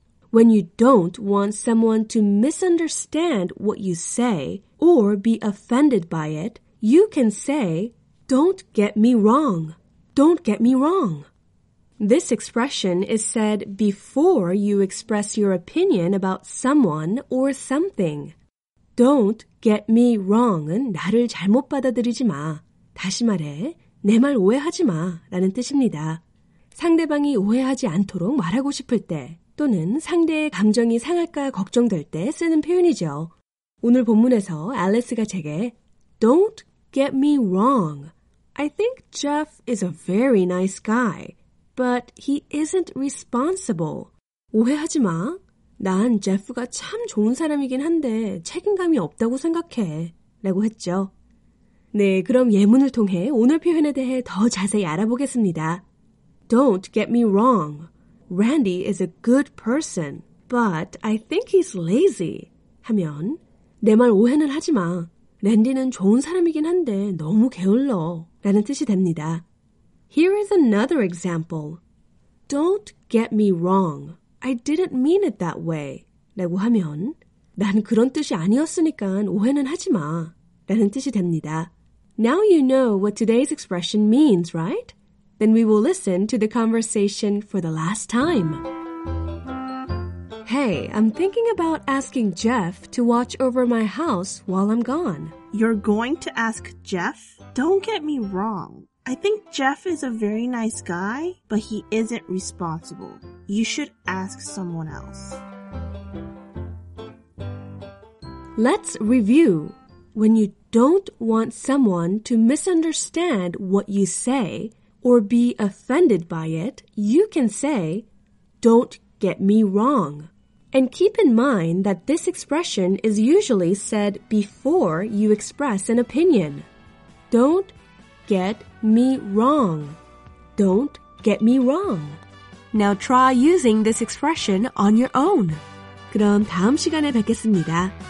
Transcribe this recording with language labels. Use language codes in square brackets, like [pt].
[en] When you don't want someone to misunderstand what you say or be offended by it, you can say, don't get me wrong. Don't get me wrong. This expression is said before you express your opinion about someone or something. Don't get me wrong [ko] 은 나를 잘못 받아들이지 마. 다시 말해, 내 말 오해하지 마 라는 뜻입니다. 상대방이 오해하지 않도록 말하고 싶을 때 또는 상대의 감정이 상할까 걱정될 때 쓰는 표현이죠. 오늘 본문에서 앨리스가 제게 [en] Don't get me wrong. I think Jeff is a very nice guy, but he isn't responsible. [ko] 오해하지 마. 난 제프가 참 좋은 사람이긴 한데 책임감이 없다고 생각해. 라고 했죠. 네, 그럼 예문을 통해 오늘 표현에 대해 더 자세히 알아보겠습니다. [en] Don't get me wrong. Randy is a good person, but I think he's lazy. [ko] 하면 내 말 오해는 하지 마. 랜디는 좋은 사람이긴 한데 너무 게을러 라는 뜻이 됩니다. [en] Here is another example. Don't get me wrong. I didn't mean it that way. [ko] 라고 하면 난 그런 뜻이 아니었으니까 오해는 하지 마 라는 뜻이 됩니다. [en] Now you know what today's expression means, right? Then we will listen to the conversation for the last time. Hey, I'm thinking about asking Jeff to watch over my house while I'm gone. You're going to ask Jeff? Don't get me wrong. I think Jeff is a very nice guy, but he isn't responsible. You should ask someone else. Let's review. When you don't want someone to misunderstand what you say or be offended by it, you can say, don't get me wrong. And keep in mind that this expression is usually said before you express an opinion. Don't get me wrong. Don't get me wrong. Now try using this expression on your own. [ko] 그럼 다음 시간에 뵙겠습니다.